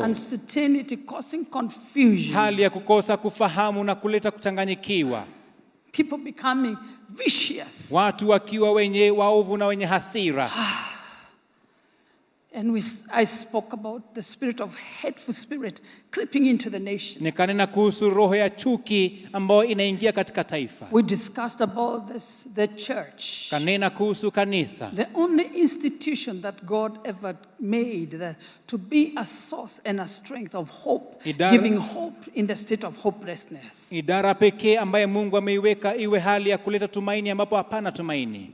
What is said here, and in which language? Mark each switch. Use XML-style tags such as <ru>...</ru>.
<en>Uncertainty causing confusion.</en> <sw>Hali ya kukosa kufahamu na kuleta kuchanganyikiwa.</sw> <en>People becoming vicious.</en> <sw>Watu wakiwa wenye waovu na wenye hasira.</sw> <en>And I spoke about the spirit of hateful spirit creeping into the nation.</en> <sw>Nikanena kuhusu roho ya chuki ambayo inaingia katika taifa.</sw> <en>We discussed about this, the church.</en> <sw>Kanena kuhusu kanisa.</sw> <en>The only institution that God ever made that to be a source and a strength of hope, giving hope in the state of hopelessness.</en> <sw>Idara pekee ambayo Mungu ameiweka iwe hali ya kuleta tumaini ambapo hapana tumaini.</sw>